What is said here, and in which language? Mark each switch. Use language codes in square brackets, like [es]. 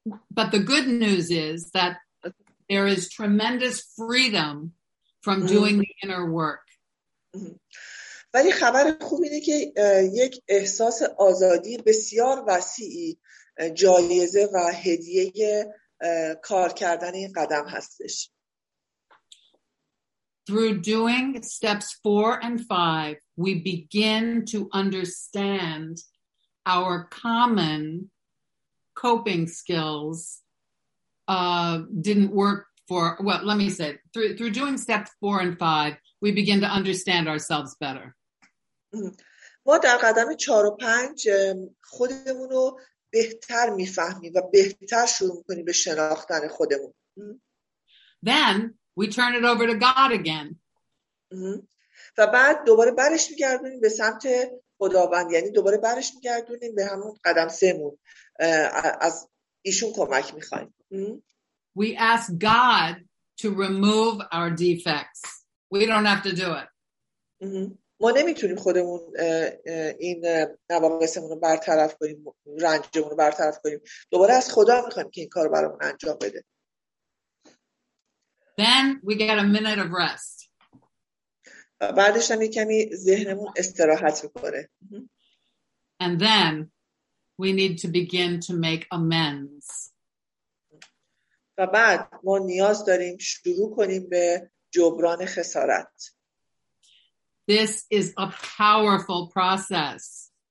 [en] But the good news is that there is tremendous freedom from doing the inner work. [fa] ولی خبر خوب اینه که یک احساس آزادی بسیار وسیعی جایزه و هدیه کار کردن این قدم هستش. [en] Through doing steps 4 and 5, we begin to understand our common coping skills didn't work for, well, let me say, through doing steps 4 and 5, we begin to understand ourselves better. [fa] ما در قدم 4 و 5 خودمون رو بهتر میفهمیم و بهتر شروع می‌کنیم به شناختن خودمون. [en] Then we turn it over to God again. [fa] و بعد دوباره برش می‌گردونیم به سمت خداوند، یعنی دوباره برش می‌گردونیم به همون قدم 3 مون. از ایشون کمک می‌خوایم. [en] We ask God to remove our defects. We don't have to do it. [fa] ما نمیتونیم خودمون این نواقصمون رو برطرف کنیم، رنجمون رو برطرف کنیم. دوباره از خدا میخوایم که این کار رو برامون انجام بده. [en] Then we get a minute of rest. [fa] بعدش هم یک کمی ذهنمون استراحت میکنه. [en] And then we need to begin to make amends. [fa] و بعد ما نیاز داریم شروع کنیم به جبران خسارت. [en] This is a powerful process.